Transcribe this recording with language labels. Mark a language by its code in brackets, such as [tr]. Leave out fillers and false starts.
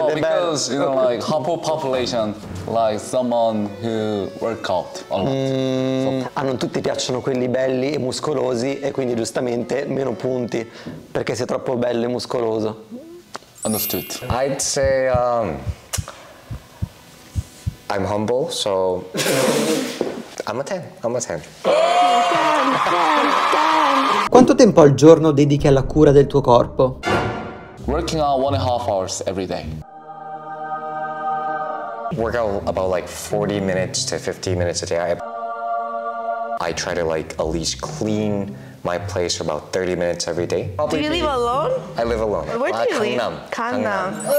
[en] Well, because, you know, like, humble population, like someone who work out a lot. [it] A non tutti piacciono quelli belli e muscolosi, e quindi giustamente meno punti, perché sei troppo bello e muscoloso. [en] Understood. I'd say, I'm humble, so I'm a 10, I'm a 10. [it] Quanto tempo al giorno dedichi alla cura del tuo corpo? [en] Working out 1.5 hours every day. Work out about like 40 minutes to 50 minutes a day. I try to like at least clean my place for about 30 minutes every day. Probably do you live alone? I live alone. Where do you live? Gangnam. Gangnam.